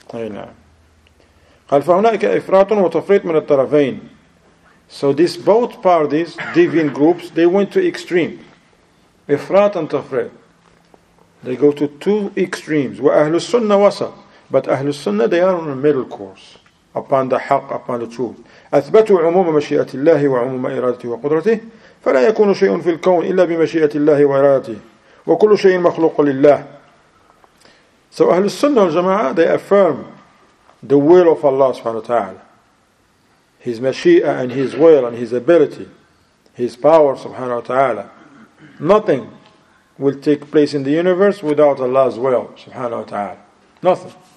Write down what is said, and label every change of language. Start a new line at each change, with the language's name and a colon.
Arabic: قَالْ فَهُنَاكَ إِفْرَاطٌ وَتَفْرِيطٌ مِنَ الطَّرَفَيْنِ.
English: So these both parties, deviant groups, they went to extreme. Ifrat and Tafrit. They go to two extremes.
Arabic: Wa Ahl-us-Sunnah wasat.
English: But Ahl-us-Sunnah, they are on a middle course. Upon the haqq, upon the truth.
Arabic: أثبتوا عموم مشيئة الله وعموم إرادته وقدرته. فلا يكون شيء في الكون إلا بمشيئة الله وإرادته. وكل شيء مخلوق لله.
English: So Ahl-us-Sunnah al-Jamaa'ah, they affirm the will of Allah subhanahu wa ta'ala, His mashia and His will and His ability, His power subhanahu wa ta'ala. Nothing will take place in the universe without Allah's will subhanahu wa ta'ala. Nothing.